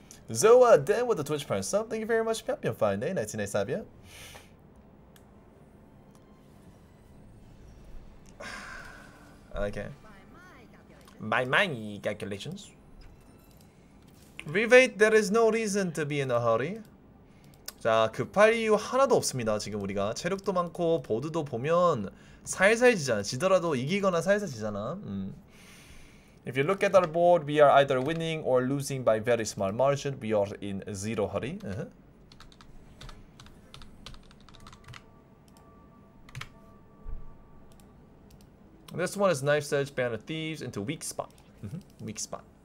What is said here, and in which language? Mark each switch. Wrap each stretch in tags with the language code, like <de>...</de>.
<en>Zoa, Dan with the Twitch Prime sub. Thank you very much. Happy on Friday, 1994. Okay. By my calculations. Rebate, there is no reason to be in a hurry.</en> <ko>자, 급할 이유 하나도 없습니다. 지금 우리가 체력도 많고 보드도 보면 살살 지잖아. 지더라도 이기거나 살살 지잖아.</ko> <en>If you look at our board, we are either winning or losing by very small margin. We are in zero hurry. This one is knife edge, band of thieves into weak spot. Weak spot.</en>